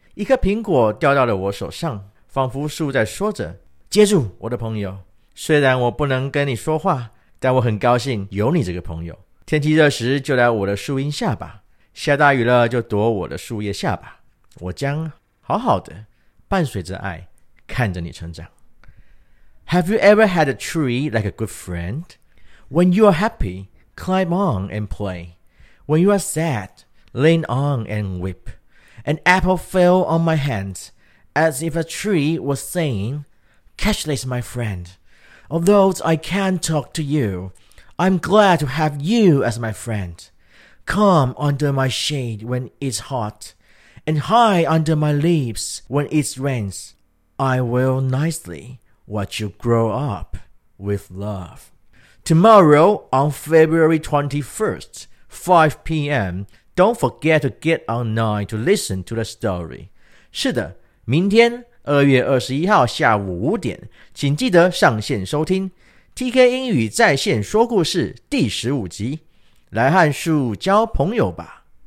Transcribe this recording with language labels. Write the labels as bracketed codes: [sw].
[zh] 一颗苹果掉到了我手上，仿佛树在说着：接住我的朋友。虽然我不能跟你说话，但我很高兴有你这个朋友。天气热时就来我的树荫下吧，下大雨了就躲我的树叶下吧，我将好好的伴随着爱，看着你成长。 [en] Have you ever had a tree like a good friend? When you are happy, climb on and play. When you are sad, lean on and weep. An apple fell on my hand, as if a tree was saying, Catch this, my friend. Although I can't talk to you, I'm glad to have you as my friend. Come under my shade when it's hot, and hide under my leaves when it rains. I will nicely watch you grow up with love. Tomorrow, on February 21st, 5 p.m., don't forget to get online to listen to the story. [zh] 是的，明天2月21号下午5点，请记得上线收听 TK 英语在线说故事第15集，来和树交朋友吧。